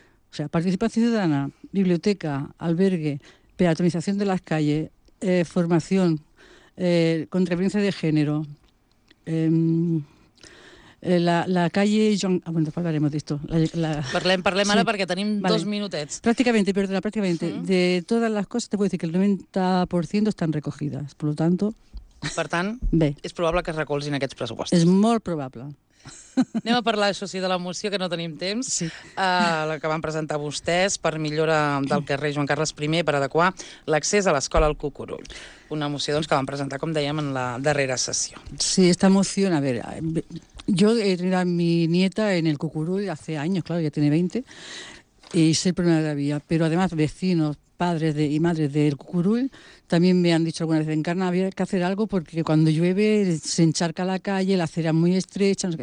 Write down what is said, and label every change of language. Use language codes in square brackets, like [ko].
[es] O sea, participación ciudadana, biblioteca, albergue, peatonización de las calles, formación, contra violencia de género, la calle... Bueno, después hablaremos de esto. [ca] Parlem [es] ahora, porque [ca] tenim dos minutets. [es] Prácticamente, de todas las cosas, te puedo decir que el 90% están recogidas. Por lo tanto... [ca] Per tant, bé, és probable que es recolzin aquests pressupostos. És molt probable. Anem a parlar, això sí, de la moció, que no tenim temps. Sí. La que van presentar vostès per millora del carrer Joan Carles I per adequar l'accés a l'escola al Cucurull. Una moció, doncs, que van presentar, com dèiem, en la darrera sessió. [es] Sí, esta moció, a ver, yo era mi nieta en el Cucurull hace años, claro, ya tiene 20, y es el problema que había. Pero además vecinos, padres y madres del Cucurull también me han dicho alguna vez, Encarna, había que hacer algo porque cuando llueve se encharca la calle, la acera es muy estrecha, no sé qué.